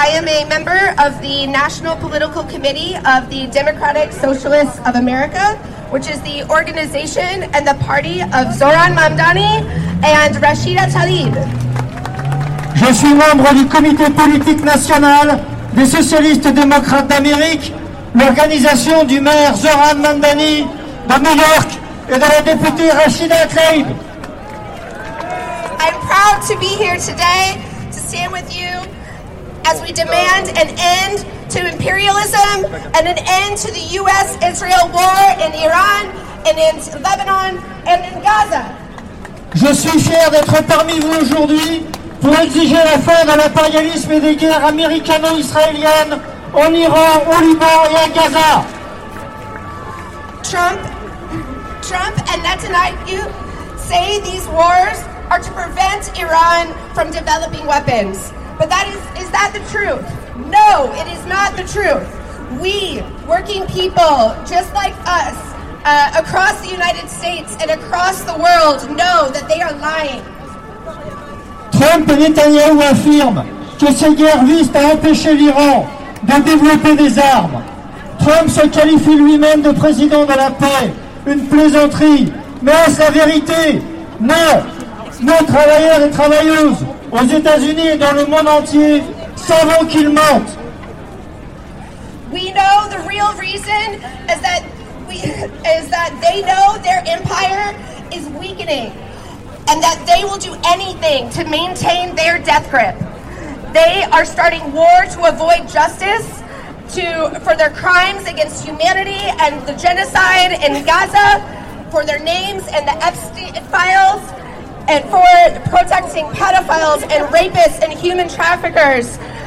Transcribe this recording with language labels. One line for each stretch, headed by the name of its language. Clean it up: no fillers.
English: I am a member of the National Political Committee of the Democratic Socialists of America, which is the organization and the party of Zoran Mamdani and Rashida Tlaib.
French: Je suis membre du Comité politique national des Socialistes démocrates d'Amérique, l'organisation du maire Zoran Mamdani de New York et de la députée Rashida Tlaib.
English: I'm proud to be here today to stand with you as we demand an end to imperialism and an end to the US-Israel war in Iran and in Lebanon and in Gaza.
French: Je suis fier d'être parmi vous aujourd'hui pour exiger la fin de l'impérialisme et des guerres américano-israéliennes en Iran, au Liban et à Gaza.
English: Trump and Netanyahu say these wars are to prevent Iran from developing weapons. But that is that the truth? No, it is not the truth. We, working people, just like us, across the United States and across the world, know that they are lying.
French: Trump et Netanyahu affirment que ces guerres visent à empêcher l'Iran de développer des armes. Trump se qualifie lui-même de président de la paix, une plaisanterie. Mais est-ce la vérité? Non. Nos travailleurs et travailleuses, aux États-Unis et dans le monde entier, savons qu'ils mentent.
English: We know the real reason is that they know their empire is weakening and that they will do anything to maintain their death grip. They are starting war to avoid justice for their crimes against humanity and the genocide in Gaza, for their names in the Epstein files, and for protecting pedophiles and rapists and human traffickers.